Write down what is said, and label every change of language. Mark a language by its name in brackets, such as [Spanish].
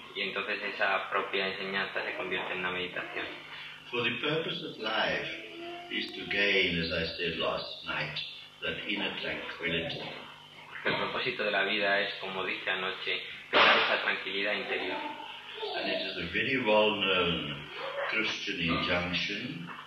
[Spanish] Y entonces esa propia enseñanza se convierte en una meditación. [English] For the purpose of life is to gain, as I said last night, that inner tranquility. [Spanish] El propósito de la vida es, como dije anoche, crear esa tranquilidad interior. [English] And it is a very well-known Christian injunction.